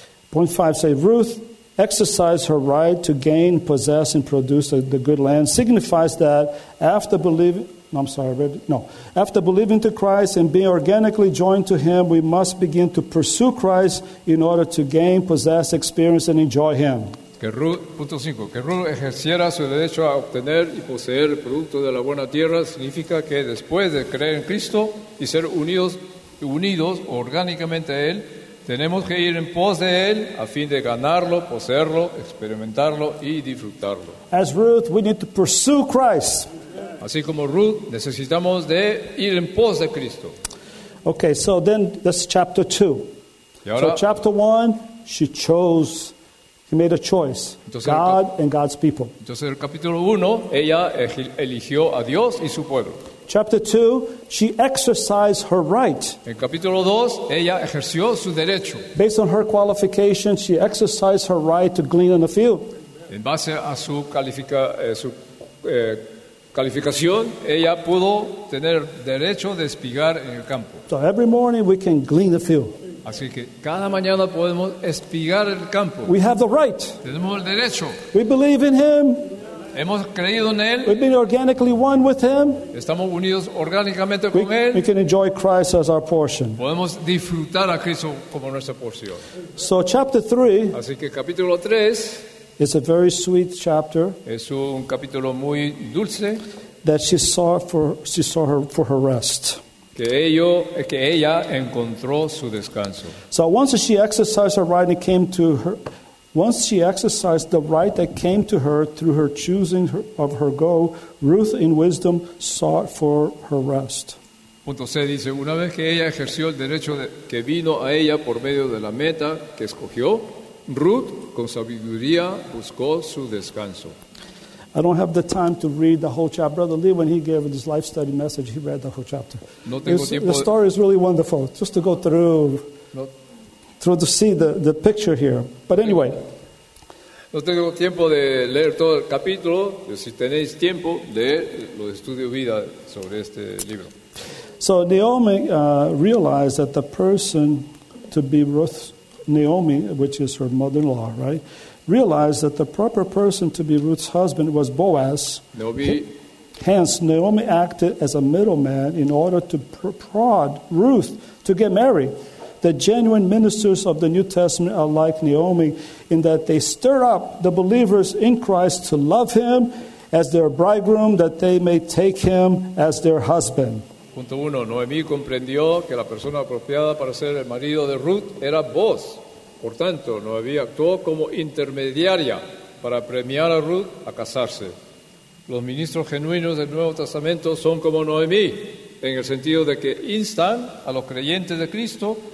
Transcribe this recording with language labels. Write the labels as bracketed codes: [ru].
[en] Point 5 says Ruth exercised her right to gain, possess and produce the good land signifies that after believing to Christ and being organically joined to him, we must begin to pursue Christ in order to gain, possess, experience, and enjoy him. [es] Que Ruth ejerciera su derecho a obtener y poseer el producto de la buena tierra significa que después de creer en Cristo y ser unidos orgánicamente a él, tenemos que ir en pos de él a fin de ganarlo, poseerlo, experimentarlo y disfrutarlo. [en] As Ruth, we need to pursue Christ. [es] Así como Ruth, necesitamos de ir en pos de Cristo. [en] Okay, so then that's chapter 2. [es] Ahora, [en] so chapter 1, she made a choice. [es] Entonces, [en] God and God's people. [es] Entonces el capítulo 1, ella eligió a Dios y su pueblo. [en] Chapter 2, she exercised her right. [es] En capítulo 2, ella ejerció su derecho. [en] Based on her qualifications, she exercised her right to glean in the field. [es] En base a su calificación, ella pudo tener derecho de espigar en el campo. [en] So every morning we can glean the field. [es] Así que cada mañana podemos espigar el campo. [en] We have the right. [es] Tenemos el derecho. [en] We believe in him. [es] Hemos creído en él. [en] We've been organically one with him. [es] Estamos unidos orgánicamente con él. [en] We can enjoy Christ as our portion. [es] Podemos disfrutar a Cristo como nuestra porción. [en] So chapter 3. [es] Así que capítulo 3. [en] It's a very sweet chapter. [es] Es un capítulo muy dulce. [en] That she saw for her rest. [es] Que ella encontró su descanso. [en] So once she exercised her right and came to her. Once she exercised the right that came to her through her choosing of her goal, Ruth in wisdom sought for her rest. [es] Punto C dice, una vez que ella ejerció el derecho que vino a ella por medio de la meta que escogió, Ruth con sabiduría buscó su descanso. [en] I don't have the time to read the whole chapter. Brother Lee, when he gave his life study message, he read the whole chapter. [es] No tengo tiempo. [en] The story is really wonderful. Just to go through. Through to see the picture here. But anyway. [es] No tengo tiempo de leer todo el capítulo. Si tenéis tiempo, leer los estudios vida sobre este libro. [en] So Naomi realized that the person to be Ruth, Naomi, which is her mother-in-law, right? Realized that the proper person to be Ruth's husband was Boaz. Naomi. Hence, Naomi acted as a middleman in order to prod Ruth to get married. The genuine ministers of the New Testament are like Naomi in that they stir up the believers in Christ to love him as their bridegroom, that they may take him as their husband. [es] Punto uno. Noemí comprendió que la persona apropiada para ser el marido de Ruth era Boaz. Por tanto, Noemí actuó como intermediaria para premiar a Ruth a casarse. Los ministros genuinos del Nuevo Testamento son como Noemí, en el sentido de que instan a los creyentes de Cristo